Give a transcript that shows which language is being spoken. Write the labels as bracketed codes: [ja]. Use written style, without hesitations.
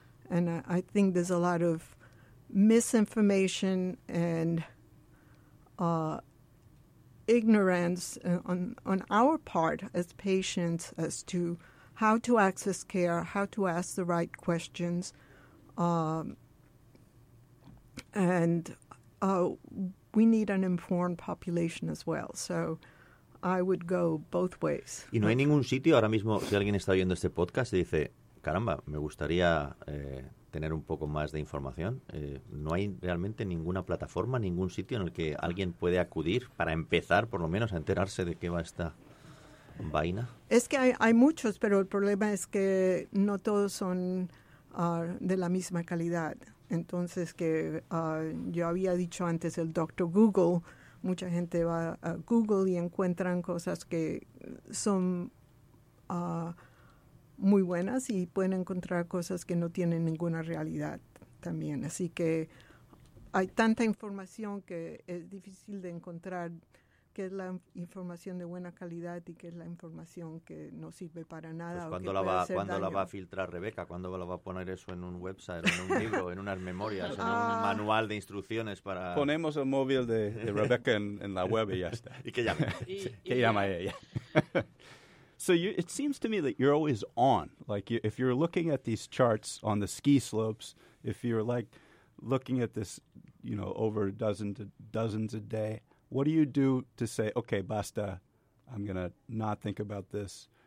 [en] And I think there's a lot of misinformation and ignorance on our part as patients as to how to access care, how to ask the right questions. We need an informed population as well. So I would go both ways. [es] Y no hay ningún sitio ahora mismo, si alguien está oyendo este podcast y dice, caramba, me gustaría tener un poco más de información. No hay realmente ninguna plataforma, ningún sitio en el que alguien puede acudir para empezar, por lo menos, a enterarse de qué va esta vaina. Es que hay muchos, pero el problema es que no todos son de la misma calidad. Entonces, que yo había dicho antes el Dr. Google, mucha gente va a Google y encuentran cosas que son muy buenas y pueden encontrar cosas que no tienen ninguna realidad también. Así que hay tanta información que es difícil de encontrar qué es la información de buena calidad y qué es la información que no sirve para nada. Pues, ¿Cuándo la va a filtrar Rebeca? ¿Cuándo la va a poner eso en un website, en un libro, en unas memorias, en un manual de instrucciones para...? Ponemos el móvil de Rebeca en la web y ya está. ¿Y qué llama? ¿Qué llama ella? [en] So you, it seems to me that you're always on. Like, you, if you're looking at these charts on the ski slopes, if you're, like, looking at this, you know, over a dozen to dozens a day, what do you do to say, okay, basta, I'm going to not think about this?